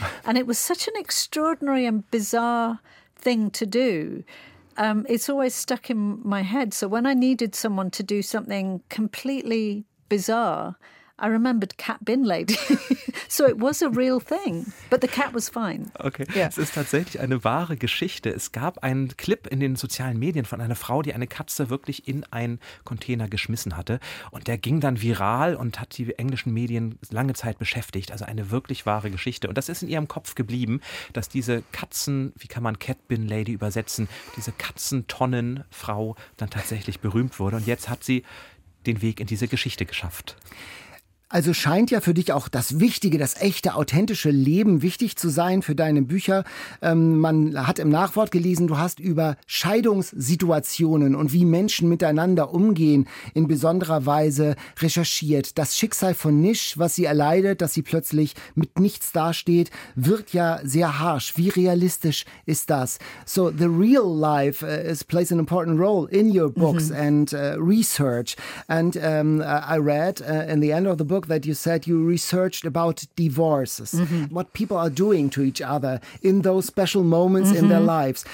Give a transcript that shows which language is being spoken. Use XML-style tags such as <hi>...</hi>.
<en>And it was such an extraordinary and bizarre thing to do. It's always stuck in my head. So when I needed someone to do something completely bizarre, I remembered Cat Bin Lady. So it was a real thing, but the cat was fine. Okay, yeah.</en> <de>Es ist tatsächlich eine wahre Geschichte. Es gab einen Clip in den sozialen Medien von einer Frau, die eine Katze wirklich in einen Container geschmissen hatte. Und der ging dann viral und hat die englischen Medien lange Zeit beschäftigt. Also eine wirklich wahre Geschichte. Und das ist in ihrem Kopf geblieben, dass diese Katzen, wie kann man Cat Bin Lady übersetzen, diese Katzentonnenfrau dann tatsächlich berühmt wurde. Und jetzt hat sie den Weg in diese Geschichte geschafft. Also scheint ja für dich auch das Wichtige, das echte, authentische Leben wichtig zu sein für deine Bücher. Man hat im Nachwort gelesen, du hast über Scheidungssituationen und wie Menschen miteinander umgehen in besonderer Weise recherchiert. Das Schicksal von Nish, was sie erleidet, dass sie plötzlich mit nichts dasteht, wirkt ja sehr harsch. Wie realistisch ist das?</de> <en>So the real life plays an important role in your books mm-hmm. and research. And I read in the end of the book that you said you researched about divorces, mm-hmm. what people are doing to each other in those special moments mm-hmm. in their lives.</en>